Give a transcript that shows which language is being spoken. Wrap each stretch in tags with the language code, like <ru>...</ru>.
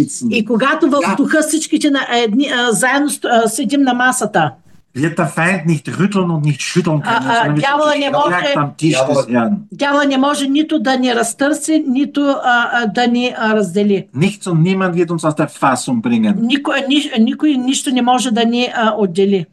<bg>И когато в духа всичките заедно седим на масата,</bg> <de>wird der Feind nicht rütteln und nicht schütteln können,</de> <bg>дявола не може нито да ни разтърси, нито да ни раздели.</bg> <de>Nichts und niemand wird uns aus der Fassung bringen.</de> <bg>Никой нищо не може да ни отдели.</bg>